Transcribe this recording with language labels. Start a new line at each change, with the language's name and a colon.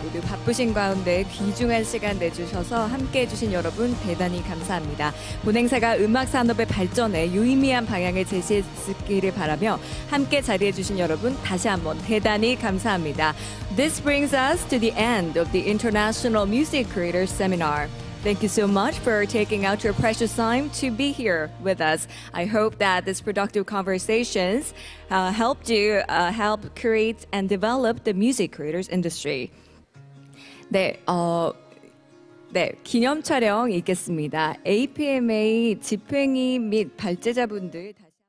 Korean: 모두 바쁘신 가운데 귀중한 시간 내주셔서 함께해 주신 여러분 대단히 감사합니다. 본행사가 음악산업의 발전에 유의미한 방향을 제시해 주시기를 바라며 함께 자리해 주신 여러분 다시 한번 대단히 감사합니다.
English: This brings us to the end of the International Music Creator Seminar. Thank you so much for taking out your precious time to be here with us. I hope that this productive conversations helped you help create and develop the music creators industry.
Korean: 네, 네, 기념 촬영 있겠습니다. APMA 집행위 및 발제자분들